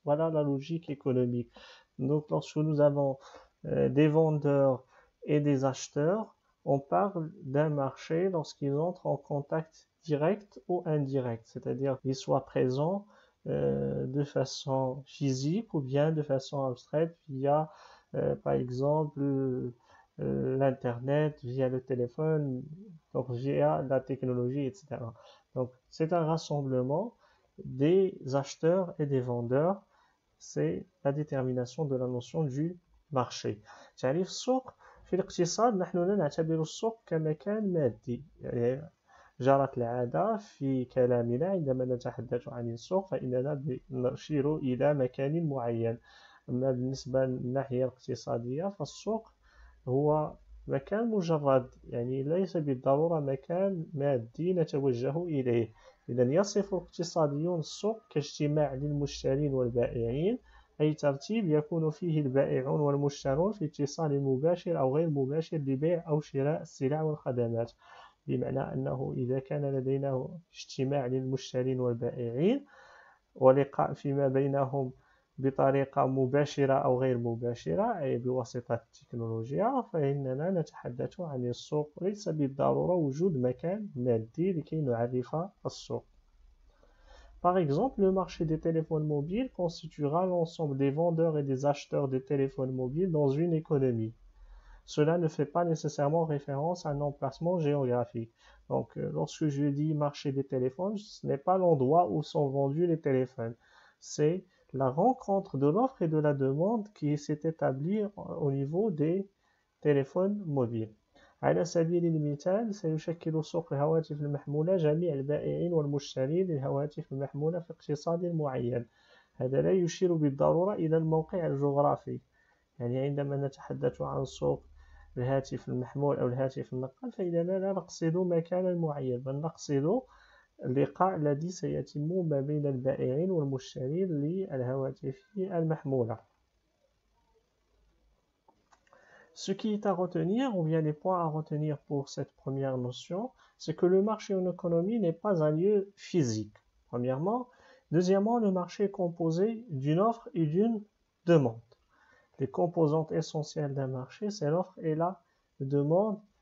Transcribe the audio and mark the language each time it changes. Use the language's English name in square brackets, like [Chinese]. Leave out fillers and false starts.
[French] Voilà la logique économique. Donc, lorsque nous avons des vendeurs et des acheteurs, on parle d'un marché lorsqu'ils entrent en contact direct ou indirect, c'est-à-dire qu'ils soient présents de façon physique ou bien de façon abstraite via, par exemple, l'Internet, via le téléphone, donc via la technologie, etc. Donc, c'est un rassemblement des acheteurs et des vendeurs. C'est la détermination de la notion du marché. [Arabic] تعريف السوق في الاقتصاد نحن لا نعتبر السوق كمكان مادي يعني جرت العادة في كلامنا عندما نتحدث عن السوق فإننا نشير إلى مكان معين أما بالنسبة للناحية الاقتصادية فالسوق هو مكان مجرد يعني ليس بالضرورة مكان مادي نتوجه إليه إذن يصف الاقتصاديون السوق كاجتماع للمشترين والبائعين أي ترتيب يكون فيه البائعون والمشترون في اتصال مباشر أو غير مباشر لبيع أو شراء السلع والخدمات، بمعنى أنه إذا كان لدينا اجتماع للمشترين والبائعين ولقاء فيما بينهم بطريقة مباشرة أو غير مباشرة أي بواسطة التكنولوجيا فإننا نتحدث عن السوق ليس بالضرورة وجود مكان مادي لكي نعرف السوق. [French] Par exemple, le marché des téléphones mobiles constituera l'ensemble des vendeurs et des acheteurs des téléphones mobiles dans une économie. Cela ne fait pas nécessairement référence à un emplacement géographique. Donc, lorsque je dis marché des téléphones, ce n'est pas l'endroit où sont vendus les téléphones. C'est la rencontre de l'offre et de la demande qui s'est établie au niveau des téléphones mobiles. [Arabic] على سبيل المثال سيشكل سوق الهواتف المحمولة جميع البائعين والمشترين للهواتف المحمولة في اقتصاد معين هذا لا يشير بالضرورة إلى الموقع الجغرافي يعني عندما نتحدث عن سوق الهاتف المحمول أو الهاتف النقال فإننا لا نقصد مكانا معينا بل نقصد اللقاء الذي سيتم ما بين البائعين والمشترين للهواتف المحمولة. [French] Ce qui est à retenir, ou bien les points à retenir pour cette première notion, c'est que le marché en économie n'est pas un lieu physique, premièrement. Deuxièmement, le marché est composé d'une offre et d'une demande. Les composantes essentielles d'un marché, c'est l'offre et la demande.